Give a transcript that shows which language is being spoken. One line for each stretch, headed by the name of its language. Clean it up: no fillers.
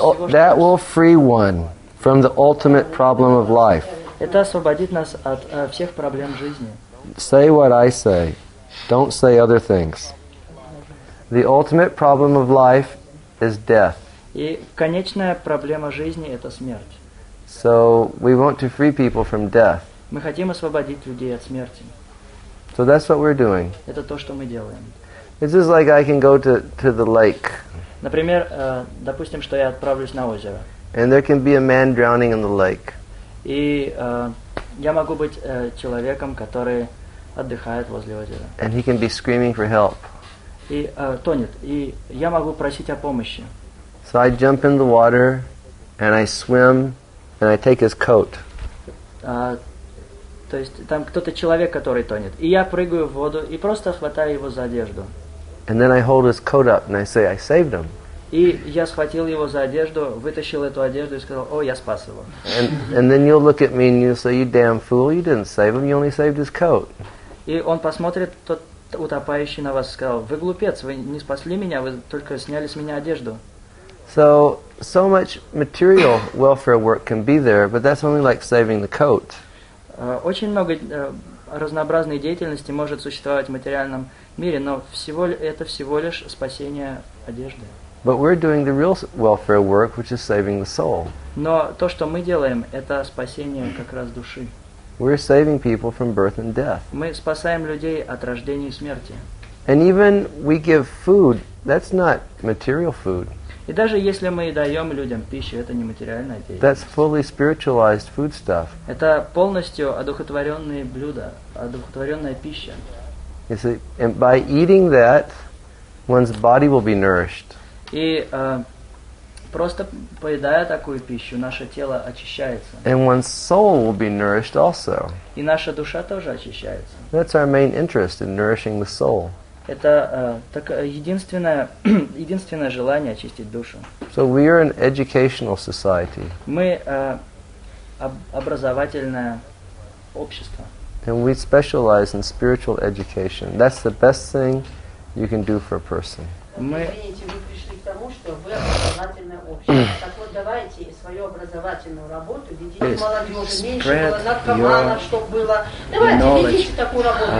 English: That will free one from the ultimate problem of life.
Russian: Это освободит нас от всех проблем жизни.
English: Say what I say. Don't say other things. The ultimate problem of life is death.
Russian: И конечная проблема жизни — это смерть.
English: So we want to free people from death.
Russian: Мы хотим освободить людей от смерти.
English: So that's what we're doing.
Russian: Это то, что мы делаем.
English: It's just like I can go to the lake.
Russian: Например, допустим, что я отправлюсь на озеро.
English: And there can be a man drowning in the lake.
Russian: И я могу быть человеком, который отдыхает возле озера.
English: And he can be screaming for help.
Russian: И тонет. И я могу просить о помощи.
English: So I jump in the water, and I swim, and I take his coat.
Russian: То есть там кто-то человек, который тонет. И я прыгаю в воду и просто хватаю его за одежду.
English: And then I hold his coat up and I say, I saved him.
Russian: И я схватил его за одежду, вытащил эту одежду и сказал, о, я спас его.
English: And then you'll look at me and you'll say, you damn fool, you didn't save him, you only saved his coat.
Russian: И он посмотрит, тот утопающий на вас, сказал, вы глупец, вы не спасли меня, вы только сняли с меня одежду.
English: So much material welfare work can be there, but that's only like saving the coat.
Russian: Очень много разнообразной деятельности может существовать в материальном мире, но это всего лишь спасение одежды.
English: But we're doing the real welfare work, which is saving the soul.
Russian: Но то, что мы делаем, это спасение как раз души.
English: We're saving people from birth and death.
Russian: Мы спасаем людей от рождения и смерти.
English: And even we give food, that's not material food.
Russian: И даже если мы даем людям пищу, это не материальная деятельность.
English: That's fully spiritualized food stuff.
Russian: Это полностью одухотворенные блюда, одухотворенная пища.
English: You see, and by eating that, one's body will be nourished.
Russian: И просто поедая такую пищу, наше тело очищается.
English: And one's soul will be nourished also.
Russian: И наша душа тоже очищается.
English: That's our main interest in nourishing the soul.
Russian: Это так, единственное желание очистить душу.
English: So we are an educational society.
Russian: Мы образовательное общество.
English: And we specialize in spiritual education. That's the best thing you can do for a person.
Russian: Извините, вы пришли к тому, что вы образовательное общество. Так вот, давайте свою образовательную работу ведите молодежи, меньше было наркоманов, чтобы было. Давайте, ведите такую работу.